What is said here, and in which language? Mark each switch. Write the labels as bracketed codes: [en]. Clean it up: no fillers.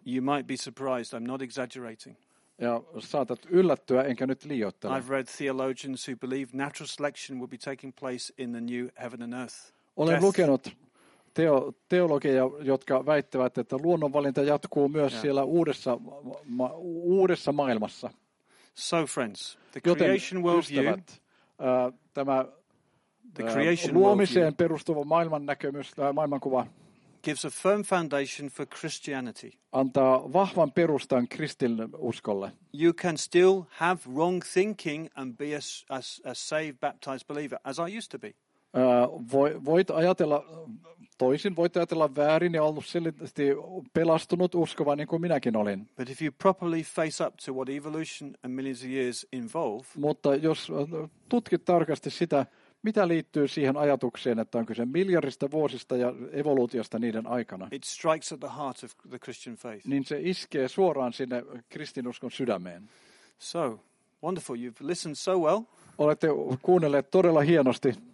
[en] You might be surprised, I'm not exaggerating. [fi] Ja saatat yllättyä, enkä nyt liioittele. [en] I've read theologians who believe natural selection will be taking place in the new heaven and earth. [fi] Olen lukenut teologeja, jotka väittävät, että luonnonvalinta jatkuu myös siellä uudessa maailmassa. [en] So friends, the creation worldview, [fi] tämä [en] the creation [fi] luomiseen perustuva maailman näkemys tai maailmankuva [en] gives a firm foundation for Christianity. [fi] Antaa vahvan perustan kristinuskolle. [en] You can still have wrong thinking and be a saved baptized believer as I used to be. [fi] Voit ajatella toisin, voit ajatella väärin ja ollut silti pelastunut uskova niin kuin minäkin olin. [en] But if you properly face up to what evolution and millions of years involve. [fi] Mutta jos tutkit tarkasti sitä, mitä liittyy siihen ajatukseen, että on kyse miljardista vuosista ja evoluutiosta niiden aikana. [en] It strikes at the heart of the Christian faith. [fi] Niin se iskee suoraan sinne kristinuskon sydämeen. [en] So, wonderful, you've listened so well. [fi] Olette kuunnelleet todella hienosti.